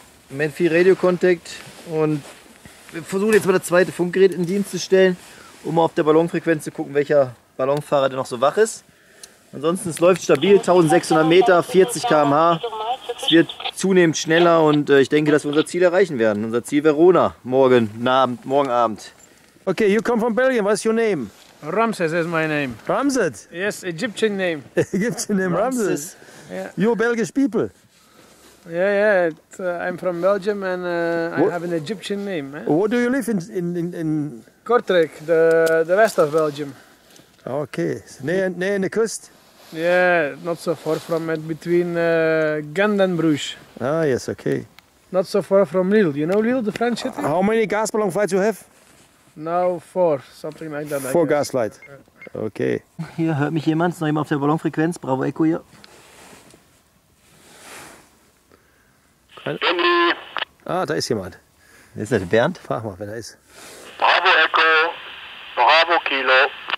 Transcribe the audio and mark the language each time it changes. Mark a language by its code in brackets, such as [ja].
[de] Im Moment viel Radiokontakt. Und wir versuchen jetzt mal das zweite Funkgerät in Dienst zu stellen, um auf der Ballonfrequenz zu gucken, welcher Ballonfahrer denn noch so wach ist. Ansonsten, es läuft stabil, 1600 Meter, 40 km/h. Es wird zunehmend schneller und ich denke, dass wir unser Ziel erreichen werden. Unser Ziel Verona, morgen Abend. [en] Okay, you come from Belgium, what's your name? Ramses is my name. Ramses? Yes, Egyptian name. Egyptian name, Ramses. Ramses. Yeah. You're Belgian people? Yeah, yeah, I'm from Belgium and I have an Egyptian name. Eh? Where do you live in? Kortrijk, the west of Belgium. Okay, near the coast? Yeah, not so far from it, between Gand and Bruges. Ah, yes, okay. Not so far from Lille, you know Lille, the French city? How many gas ballon flights you have? Now 4, something like that. 4 gas flights, okay. [de] Hier hört mich jemand, ist noch jemand auf der Ballonfrequenz, Bravo Echo hier. Ah, da ist jemand. Ist das Bernd? Frag mal, wer da ist. Bravo Echo, Bravo Kilo.